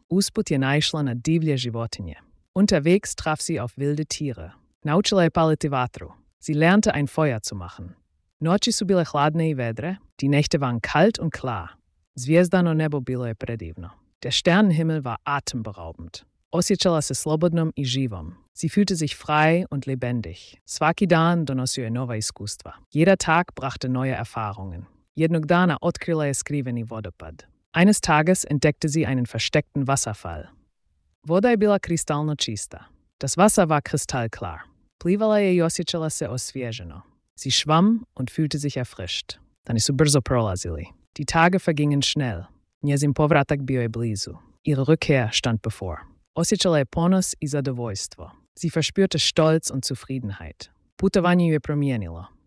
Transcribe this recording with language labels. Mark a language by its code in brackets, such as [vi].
[hr] Usput je naišla na divlje životinje. [de] Unterwegs traf sie auf wilde Tiere. [hr] Naučila je paliti vatru. [de] Sie lernte ein Feuer zu machen. [hr] Noći su bile hladne i vedre, [de] die Nächte waren kalt und klar. [hr] Zvijezdano nebo bilo je predivno. [de] Der Sternenhimmel war atemberaubend. [hr] Osjećala se slobodnom i živom. [de] Sie fühlte sich frei und lebendig. [hr] Svaki dan donosio je nova iskustva. [de] Jeder Tag brachte neue Erfahrungen. [hr] Jednog dana otkrila je skriveni vodopad. [de] Eines Tages entdeckte sie einen versteckten Wasserfall. [hr] Voda je bila kristalno čista. [de] Das Wasser war kristallklar. [hr] Plivala je i osjećala se osvježeno. [de] Sie schwamm und fühlte sich erfrischt. Dann ist sie [hr] brzo prolazili. [de] Die Tage vergingen schnell. [hr] Njezin povratak bio je blizu. [de] Ihre Rückkehr stand bevor. [hr] Osjećala je ponos i zadovoljstvo. [de] Sie verspürte Stolz und Zufriedenheit. [hr] Putovanje ju je promijenilo.